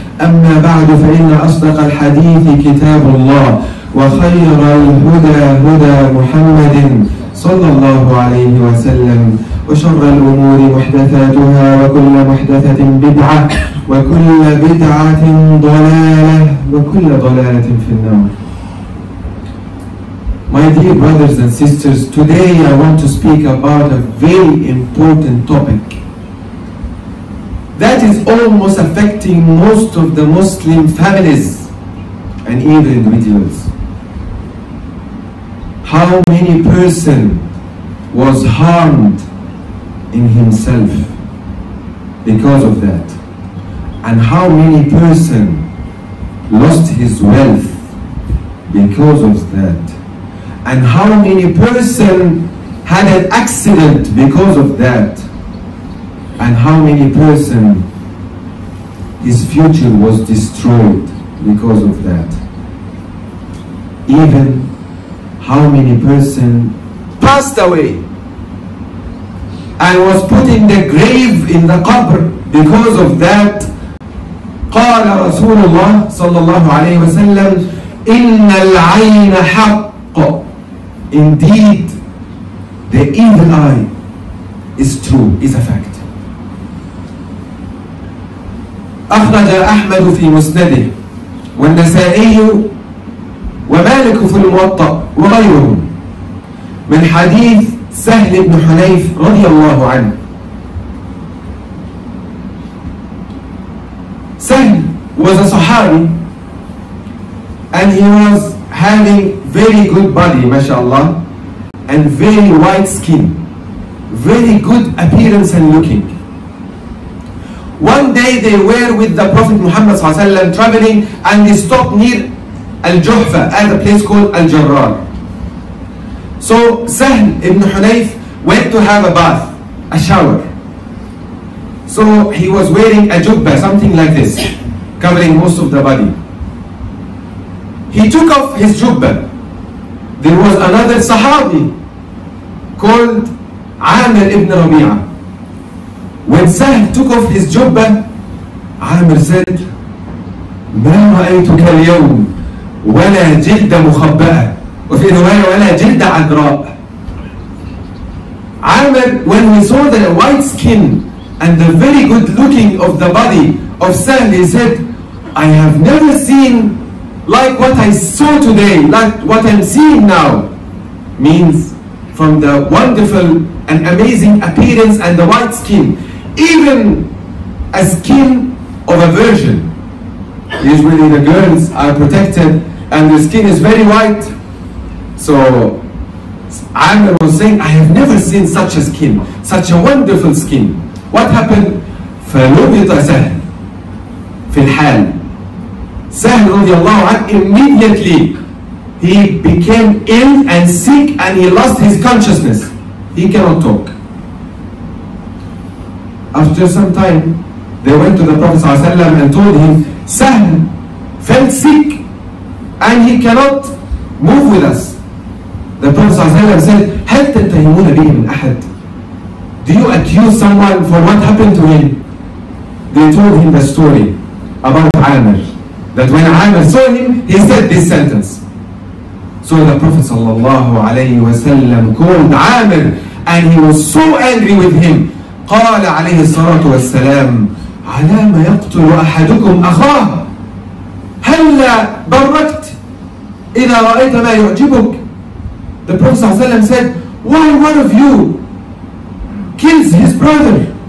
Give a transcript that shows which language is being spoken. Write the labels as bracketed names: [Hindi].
[Arabic] أما بعد فإن أصدق الحديث كتاب الله وخير الهدى هدى محمد صلى الله عليه وسلم وشر الأمور محدثاتها وكل محدثة بدعة وكل بدعة ضلالة وكل ضلالة في النار. [English] My dear brothers and sisters, today I want to speak about a very important topic that is almost affecting most of the Muslim families and even individuals. How many person was harmed in himself because of that? And how many person lost his wealth because of that? And how many person had an accident because of that? And how many person his future was destroyed because of that? Even how many person passed away and was put in the grave in the qabr because of that? [Arabic] قال رسول الله صلى الله عليه وسلم إن العين حق. [English] Indeed, the evil eye is true, is a fact. [Arabic] أخرج أحمد في مسنده والنسائي ومالك في الموطأ وغيرهم من حديث سهل بن حنيف رضي الله عنه. [English] Sahl was a Sahabi and he was having very good body, mashallah, and very white skin, very good appearance and looking. One day they were with the Prophet Muhammad sallallahu alaihi wasallam traveling and they stopped near Al-Juhfa at a place called Al-Jarrar. So Sahl ibn Hunayf went to have a bath, a shower. So he was wearing a jubba, something like this, covering most of the body. He took off his jubba. There was another Sahabi called Amir ibn Rabi'a. When Sahl took off his jubba, Amir said, [Arabic] مَا رَأَيْتُكَ الْيَوْمِ وَلَا جِلْدَ مُخَبَّأَ وَفِي رواية وَلَا جِلْدَ عَدْرَاءَ. [English] Amir, when he saw the white skin and the very good looking of the body of Sahl, he said, I have never seen like what I saw today, like what I'm seeing now. Means from the wonderful and amazing appearance and the white skin, even a skin of a virgin. Usually the girls are protected and the skin is very white. So Amr was saying, I have never seen such a skin, such a wonderful skin. What happened? [Arabic] فَلُبِطَ سَهْلٌ فِي الْحَالِ. Sahl رضي الله عنه [English] immediately He became ill and sick and he lost his consciousness. He cannot talk. After some time, they went to the Prophet ﷺ and told him, Sahm felt sick and he cannot move with us. The Prophet ﷺ said, [Arabic] هَلْ تَتَّهِمُونَ بِهِ مِنْ أَحَدٍ. [English] Do you accuse someone for what happened to him? They told him the story about Amr. That when Amr saw him, he said this sentence. So the Prophet sallallahu alayhi wa sallam called Amr and he was so angry with him. [Arabic] قال عليه الصلاة والسلام على ما يقتل أحدكم أخاه هل بركت إذا رأيت ما يعجبك. [English] The Prophet sallallahu alayhi wa sallam said, why one of you kills his brother.